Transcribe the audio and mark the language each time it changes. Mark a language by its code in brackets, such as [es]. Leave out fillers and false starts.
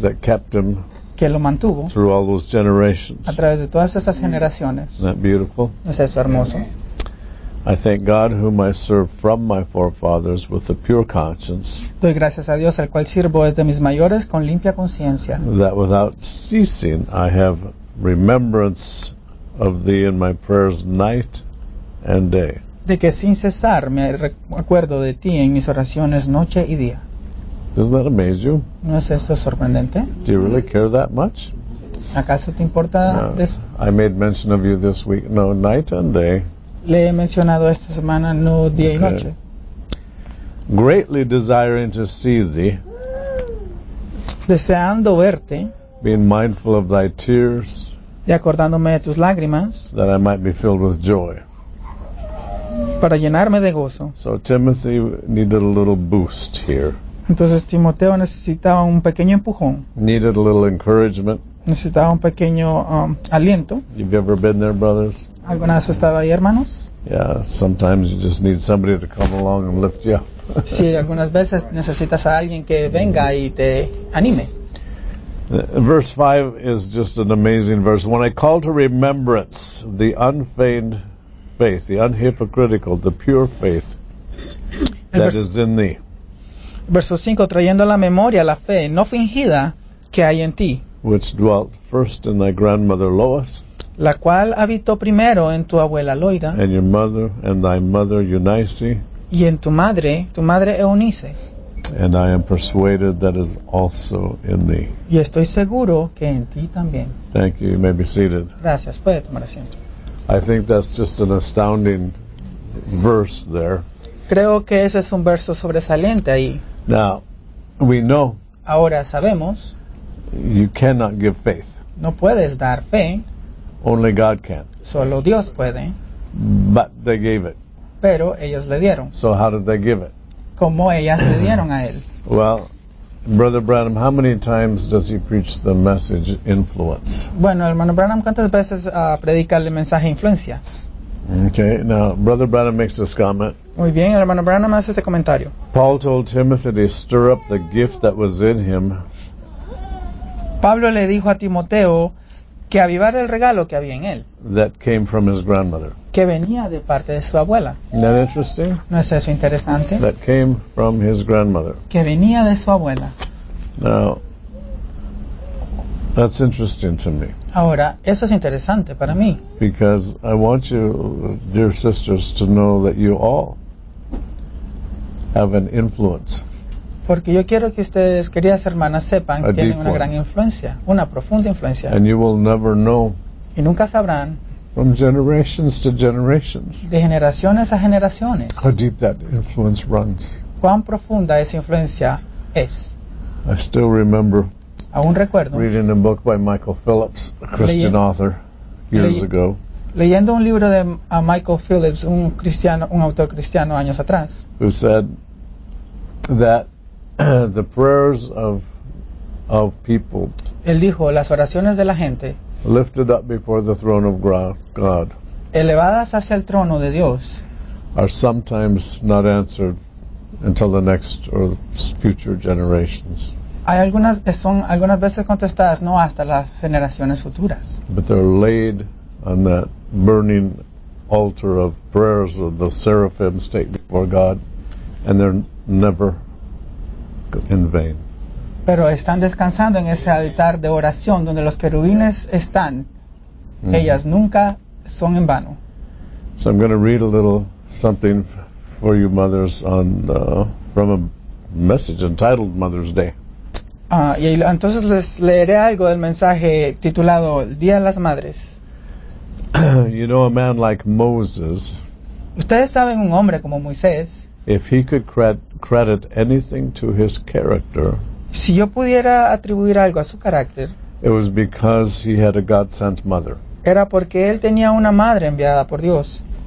[en] That kept him. [es] Que lo mantuvo. [en] Through all those generations. [es] A través de todas esas generaciones. [en] Isn't that beautiful? [es] ¿No es eso hermoso? [en] I thank God whom I serve from my forefathers with a pure conscience. [es] Doy gracias a Dios al cual sirvo desde mis mayores con limpia conciencia. [en] That without ceasing I have remembrance of thee in my prayers night and day. [es] De que sin cesar me acuerdo de ti en mis oraciones noche y día. [en] Doesn't that amaze you? [es] ¿No es eso sorprendente? [en] Do you really care that much? [es] ¿Acaso te importa de eso? [en] I made mention of you this week. No, night and day. [es] Le he mencionado esta semana, no día y noche. [en] Greatly desiring to see thee. [es] Deseando verte. [en] Being mindful of thy tears. [es] Y acordándome de tus lágrimas. [en] That I might be filled with joy. [es] Para llenarme de gozo. [en] So Timothy needed a little boost here. [es] Entonces Timoteo necesitaba un pequeño empujón. [en] Needed a little encouragement. [es] Necesitaba un pequeño aliento. [en] You've ever been there, brothers? [es] ¿Alguna vez estaba ahí, hermanos? [en] Yeah, sometimes you just need somebody to come along and lift you up. [es] Sí, algunas veces necesitas a alguien que venga y te anime. [en] Verse 5 is just an amazing verse. When I call to remembrance the unfeigned faith, the unhypocritical, the pure faith that is in thee. [es] Verso 5, trayendo a la memoria la fe no fingida que hay en ti. [en] Which dwelt first in thy grandmother Lois. [es] La cual habitó primero en tu abuela Loida. [en] And your mother and thy mother Eunice. [es] Y en tu madre Eunice. [en] And I am persuaded that is also in thee. [es] Y estoy seguro que en ti también. [en] Thank you. You may be seated. [es] Gracias. Puede tomar asiento. [en] I think that's just an astounding verse there. [es] Creo que ese es un verso sobresaliente ahí. [en] Now, We know. [es] Ahora sabemos. [en] You cannot give faith. [es] No puedes dar fe. [en] Only God can. [es] Solo Dios puede. [en] But they gave it. [es] Pero ellos le dieron. [en] So how did they give it? [es] ¿Cómo ellas le dieron a él? [en] Well, Brother Branham, how many times does he preach the message influence? [es] Bueno, hermano Branham, ¿cuántas veces predica el mensaje influencia? [en] Okay, now Brother Branham makes this comment. [es] Muy bien, hermano Branham hace este comentario. [en] Paul told Timothy to stir up the gift that was in him. [es] Pablo le dijo a Timoteo que avivara el regalo que había en él. [en] That came from his grandmother. [es] Que venía de parte de su abuela. [en] Isn't that interesting? [es] ¿No es eso interesante? [en] That came from his grandmother. [es] Que venía de su abuela. [en] Now, that's interesting to me. [es] Ahora, eso es interesante para mí. [en] Because I want you, dear sisters, to know that you all have an influence. [es] Porque yo quiero que ustedes, queridas hermanas, sepan que tienen una gran influencia, una profunda influencia. [en] And you will never know. [es] Y nunca sabrán. [en] From generations to generations. [es] De generaciones a generaciones. [en] How deep that influence runs. [es] Cuán profunda esa influencia es. [en] I still remember. [es] Aún recuerdo. [en] Reading a book by Michael Phillips, a Christian author, years ago. [es] Leyendo un libro de a Michael Phillips, un cristiano, un autor cristiano, años atrás. [en] Who said that the prayers of people. [es] Él dijo las oraciones de la gente. [en] Lifted up before the throne of God. [es] Elevadas hacia el trono de Dios. [en] Are sometimes not answered until the next or future generations. [es] Hay algunas son algunas veces contestadas no hasta las generaciones futuras. [en] But they're laid on that burning altar of prayers of the seraphim state before God, and they're never. In vain. [es] Pero están descansando en ese altar de oración donde los querubines están. Mm-hmm. Ellas nunca son en vano. [en] So I'm going to read a little something for you mothers on from a message entitled Mother's Day. [es] Y entonces les leeré algo del mensaje titulado Día de las Madres. [en] You know, a man like Moses. [es] Ustedes saben un hombre como Moisés. [en] If he could credit anything to his character, [es] si yo pudiera atribuir algo a su carácter, [en] it was because he had a God-sent mother. [es] Era porque él tenía una madre enviada por Dios.